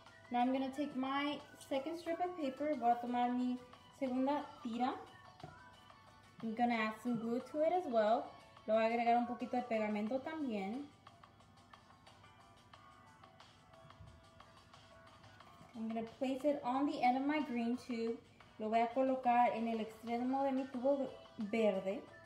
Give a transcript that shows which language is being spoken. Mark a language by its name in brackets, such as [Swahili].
[English] Now I'm gonna take my second strip of paper. [Spanish] Voy a tomar mi segunda tira. [English] I'm gonna add some glue to it as well. [Spanish] Lo voy a agregar un poquito de pegamento también. [English] I'm gonna place it on the end of my green tube. [Spanish] Lo voy a colocar en el extremo de mi tubo verde.